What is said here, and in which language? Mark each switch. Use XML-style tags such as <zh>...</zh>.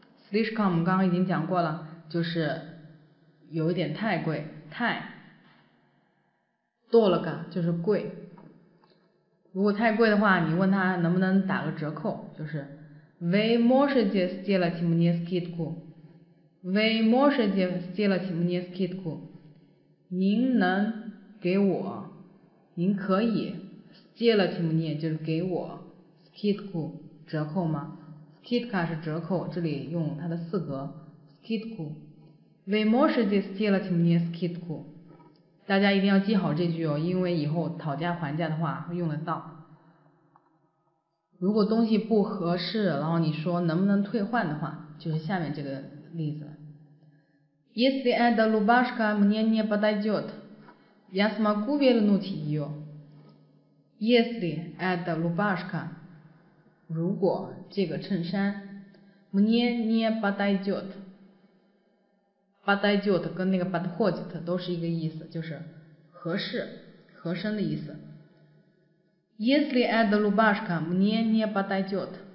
<zh>Слишком 刚刚已经讲过了，就是有一点太贵，太。 Дорого 就是贵。如果太贵的话，你问他能不能打个折扣，就是</zh> <ru>Вы можете сделать мне скидку? Вы можете сделать мне скидку?</ru> <zh>您能给我，您可以</zh> <ru>сделать мне</ru> <zh>就是给我 скидку 折扣吗？ скидка 是折扣，这里用它的四格 скидку。</zh> <ru>Вы можете сделать мне скидку?</ru> <zh>大家一定要记好这句哦，因为以后讨价还价的话会用得到。如果东西不合适，然后你说能不能退换的话，就是下面这个例子。</zh> <ru>Если эта рубашка мне не подойдет, я смогу вернуть ее. Если эта рубашка,</ru> <zh>如果这个衬衫</zh> <ru>мне не подойдет,</ru> <zh>подойдет 跟那个 подходит 都是一个意思，就是合适、合身的意思。</zh> <ru>Если эта рубашка мне не подойдет,</ru>